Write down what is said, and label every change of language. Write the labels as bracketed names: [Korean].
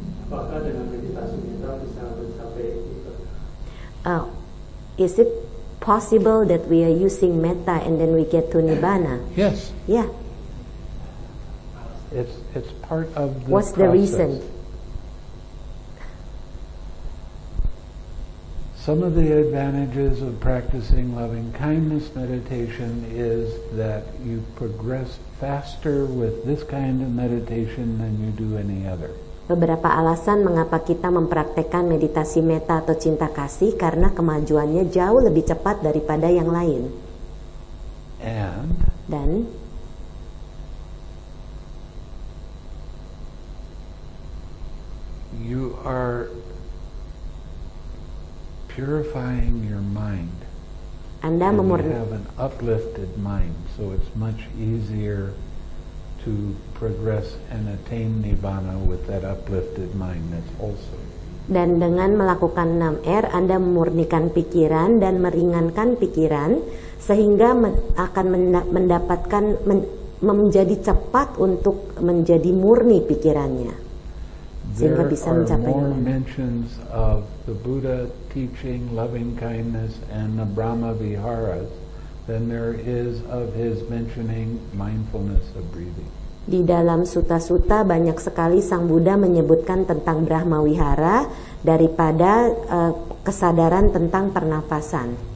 [Indonesian] Apakah dengan meditasi kita bisa mencapai itu? [English] Is it possible that we are using metta and then we get to nirvana? Yes. Yeah. It's part of the What's process. The reason? Some of the advantages of practicing loving kindness meditation is that you progress faster with this kind of meditation than you do any other. [Indonesian] Beberapa alasan mengapa kita mempraktekkan meditasi metta atau cinta kasih karena kemajuannya jauh lebih cepat daripada yang lain. [English] And [Indonesian] dan [English] you are purifying your mind. [Indonesian] Anda memurnikan. [English] You have an uplifted mind, so it's much easier to progress and attain nirvana with that uplifted mind. That's also. [Indonesian] Dan dengan melakukan 6R, Anda memurnikan pikiran dan meringankan pikiran, sehingga akan mendapatkan menjadi cepat untuk menjadi murni pikirannya. [English] There are more mentions of the Buddha teaching loving kindness and the Brahma Viharas than there is of his mentioning mindfulness of breathing. [Indonesian] Di dalam sutta-sutta banyak sekali Sang Buddha menyebutkan tentang Brahma Vihara daripada kesadaran tentang pernapasan.